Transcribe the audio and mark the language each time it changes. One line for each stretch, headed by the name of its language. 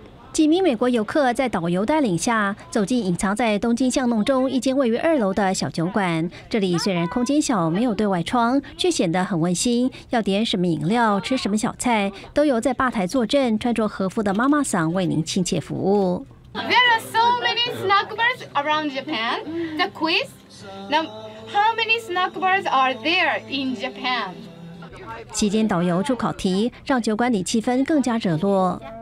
Chinese: 几名美国游客在导游带领下走进隐藏在东京巷弄中一间位于2楼的小酒馆，这里虽然空间小没有对外窗，却显得很温馨，要点什么饮料吃什么小菜都有在吧台坐镇穿着和服的妈妈桑为您亲切服务。
English: There are so many snack bars around Japan. The quiz now, how many snack bars are there in Japan?
Chinese: 期间导游出考题让酒馆里气氛更加热络。